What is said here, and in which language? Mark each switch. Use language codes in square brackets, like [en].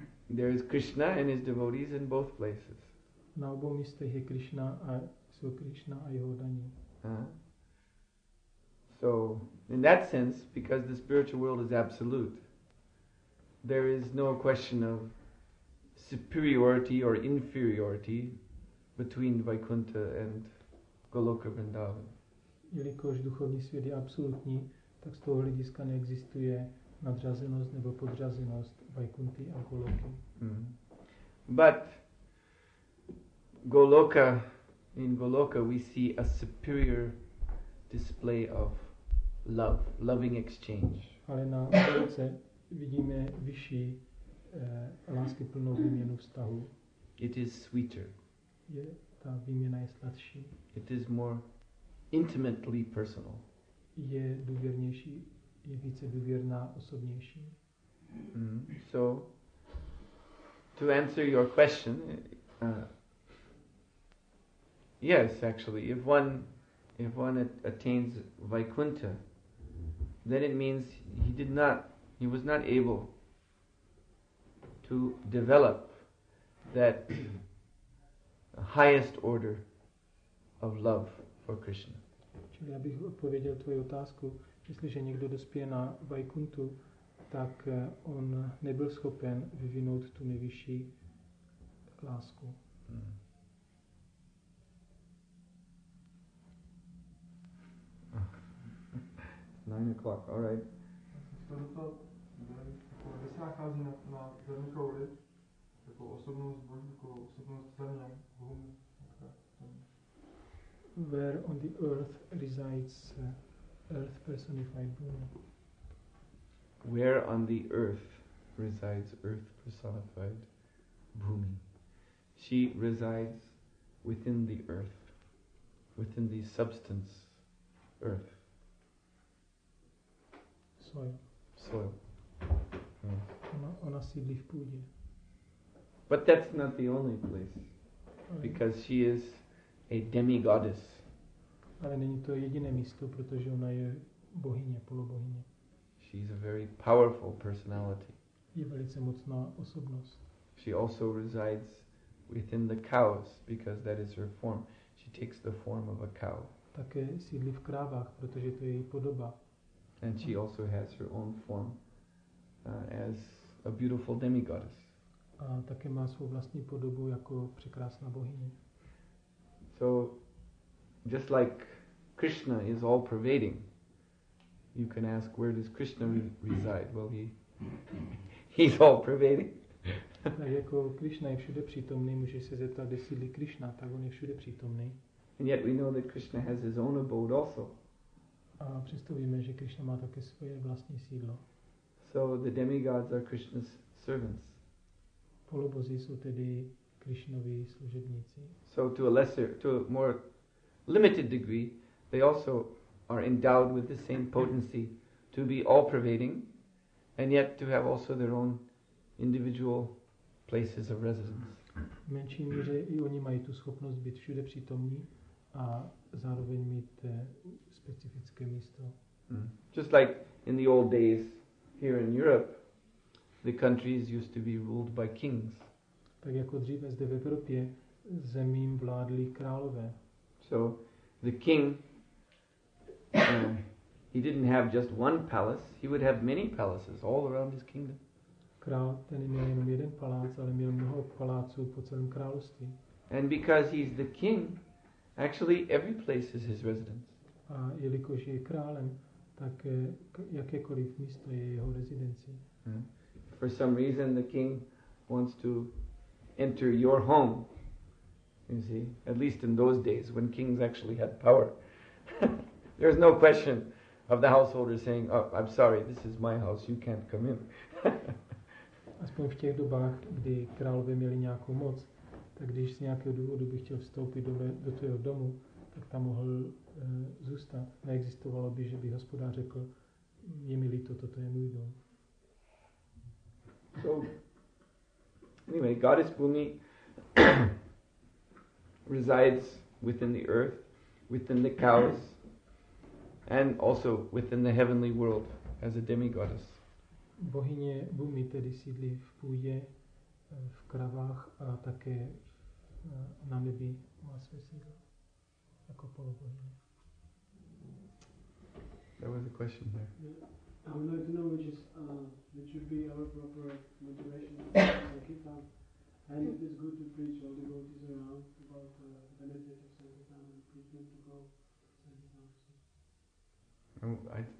[en] There is Krishna and his devotees in both places. [cs] Na obou místech je Krishna a jsou Krishna a jeho daní. [en] So in that sense, because the spiritual world is absolute, there is no question of superiority or inferiority between Vaikuntha and Goloka Vrindavan. [cs] Jelikož duchovní svět je absolutní, tak z toho hlediska neexistuje nadřazenost nebo podřazenost Vaikunty a Goloky. [en] But Goloka, in Goloka we see a superior display of love, loving exchange. [cs] Ale na Goloce vidíme vyšší láskyplnou výměnu vztahu. [en] It is sweeter. [cs] Je, ta výměna je sladší. [en] It is more intimately personal. [cs] Je důvěrnější, je více důvěrná, osobnější. [en] So, to answer your question, yes, actually, if one attains Vaikuntha, then it means he was not able to develop that highest order of love for Krishna. [cs] Čili abych odpověděl tvoji otázku, jestliže někdo dospěje na Vaikuntu, tak on nebyl schopen vyvinout tu nejvyšší lásku. [en] Nine o'clock, all right. [cs] Když se nachází na zemi kouli, jako osobnost Boží, jako osobnost země, Bohu. [en] Where on the earth resides earth personified Bhumi. Where on the earth resides earth personified Bhumi. She resides within the earth, within the substance earth. Soil. [cs] Ona sídlí v půdě. [en] But that's not the only place, because she is a demigoddess. [cs] Ale není to jediné místo, protože ona je bohyně, polobohyně. [en] She's a very powerful personality. [cs] Je velice mocná osobnost. [en] She also resides within the cows, because that is her form. She takes the form of a cow. [cs] Také sídlí v krávách, protože to je její podoba. [en] And she also has her own form as a beautiful demigoddess. [cs] A také má svou vlastní podobu jako překrásná bohyně. [en] So, just like Krishna is all pervading, you can ask, where does Krishna reside? Well, he's all pervading. [cs] Tak jako Krishna je všude přítomný, může se zeptat, kde sídlí Krishna, tak on je všude přítomný. [en] And yet we know that Krishna has his own abode also. [cs] A přesto víme, že Krishna má také svoje vlastní sídlo. [en] So the demigods are Krishna's servants. [cs] Polobozy jsou tedy Krishnovi služebníci. [en] So to a more limited degree, they also are endowed with the same potency to be all pervading and yet to have also their own individual places of residence. [cs] V menší míře i oni mají tu schopnost být všude přítomní, a zároveň mít specifické místo. [en] Just like in the old days here in Europe, the countries used to be ruled by kings. [cs] Tak jako dříve zde v Evropě zemím vládli králové. [en] So the king he didn't have just one palace, he would have many palaces all around his kingdom. [cs] Král ten neměl jenom jeden palác, ale měl mnoho paláců po celém království. [en] And because he's the king, actually every place is his residence. [cs] A jelikož je králem, tak jakékoliv místo je jeho rezidencí. [en] For some reason the king wants to enter your home. You see, at least in those days when kings actually had power. There's no question of the householder saying, "Oh, I'm sorry, this is my house, you can't come in." [cs] Aspoň v těch dobách, kdy králové měli nějakou moc, tak když z nějakého důvodu by chtěl vstoupit do tvého domu, tak tam mohl zůstat. Neexistovalo by, že by hospodář řekl, je mi líto, toto je můj dom. [en] So, anyway, goddess Bhumi resides within the earth, within the cows, and also within the heavenly world as a demigoddess. [cs] Bohyně Bhumi tedy sídlí v půdě, v kravách a také na nebi má své sídlo jako polobohyně. [en] There was a question there. Yeah. I would like to know which should be our proper motivation for Sankirtan, and if it's good to preach all the devotees around about the benefit of Sankirtan and preach them to go Sankirtan.